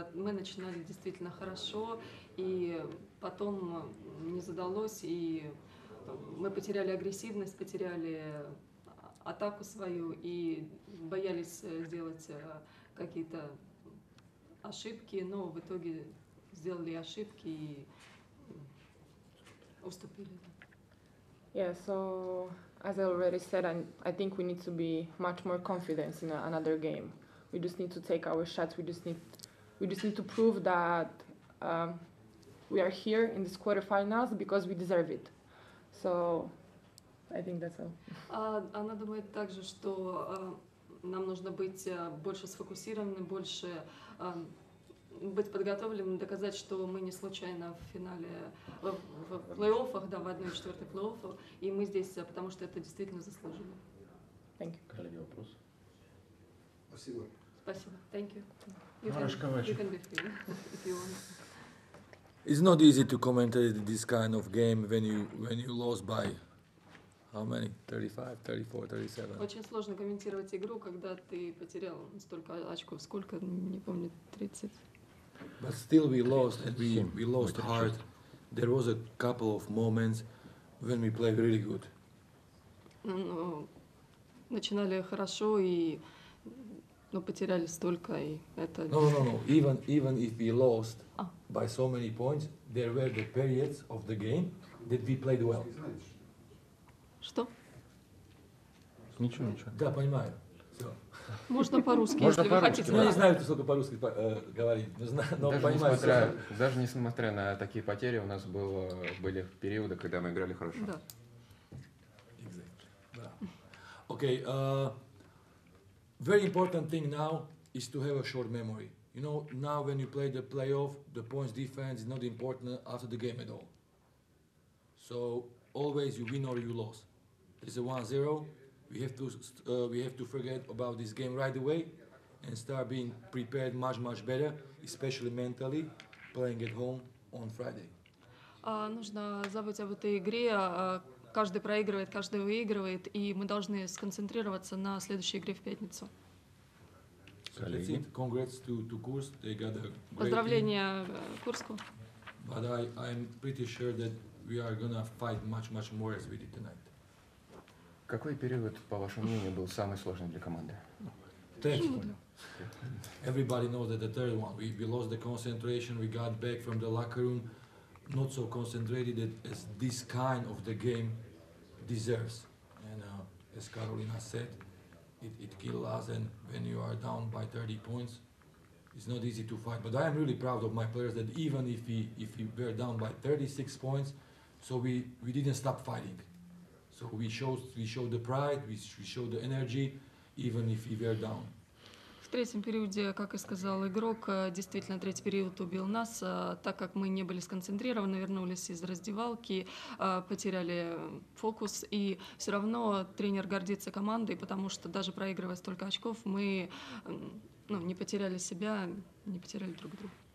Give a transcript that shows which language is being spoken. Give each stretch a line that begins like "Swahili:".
Russian: Мы начинали действительно хорошо, и потом не задалось, и мы потеряли агрессивность, потеряли атаку свою, и боялись сделать какие-то ошибки, но в итоге сделали ошибки и уступили.
English: Yeah, so as I already said, I think we need to be much more confident in another game. We just need to take our shots. We just need to prove that we are here in this quarterfinals because we deserve it. So I think that's all.
Russian: Она думает также, что нам нужно быть больше сфокусированным, больше быть подготовленным, доказать, что мы не случайно в финале, в плей-оффах, да, в 1/4 плей-оффах, и мы здесь, потому что это действительно заслужено.
English: Thank you.
Russian: Каролине вопрос. Спасибо. Спасибо.
English: Thank you. You can be free if you want. It's not easy to comment this kind of game when you lost by how many? 35, 34, 37.
Russian: Очень сложно комментировать игру, когда ты потерял столько очков. Сколько? Не помню. 30.
English: But still we lost, and we lost hard. There was a couple of moments when we played really good.
Russian: Начинали хорошо и но потеряли столько, и это...
English: No. Even if we lost by so many points, there were the periods of the game that we played well.
Russian: Что? Ничего. Да, понимаю. Можно по-русски, если вы хотите. Я не знаю, сколько по-русски говорить, но понимаю. Даже несмотря на такие потери, у нас были периоды, когда мы играли хорошо. Да.
English: Okay. Very important thing now is to have a short memory. You know, now when you play the playoff, the points defense is not important after the game at all. So always you win or you lose. This is a 1-0. We have to forget about this game right away and start being prepared much better, especially mentally, playing at home on Friday.
Russian: Нужно забыть об этой игре. Каждый проигрывает, каждый выигрывает, и мы должны сконцентрироваться на следующей игре в пятницу.
English: So that's it. Congrats to Kurs. They got a great.
Russian: Поздравления Курску.
English: But I'm pretty sure that we are gonna fight much more as we did tonight.
Russian: Какой период, по вашему мнению, был самый сложный для команды?
English: Everybody knows that the third one. We lost the concentration. We got back from the locker room not so concentrated as this kind of the game deserves. And as Carolina said, it killed us. And when you are down by 30 points, it's not easy to fight. But I am really proud of my players that even if we were down by 36 points, so we didn't stop fighting. So we showed the pride, we showed the energy, even if we were down.
Russian: В третьем периоде, как и сказал игрок, действительно третий период убил нас, так как мы не были сконцентрированы, вернулись из раздевалки, потеряли фокус, и все равно тренер гордится командой, потому что даже проигрывая столько очков, мы не потеряли себя, не потеряли друг друга.